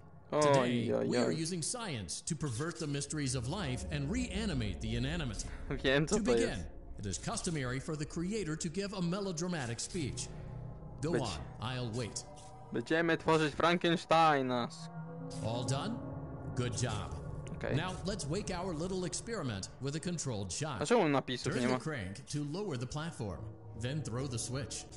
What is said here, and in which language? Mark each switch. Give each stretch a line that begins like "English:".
English: Today, we are using science to pervert the mysteries of life and reanimate the inanimate. To begin, it is customary for the creator to give a melodramatic speech. Go on, I'll wait.
Polish: Będziemy tworzyć Frankensteina.
English: All done? Good job. Okay. Now, let's wake our little experiment with a controlled shot. Turn the crank to lower the platform, then throw the switch.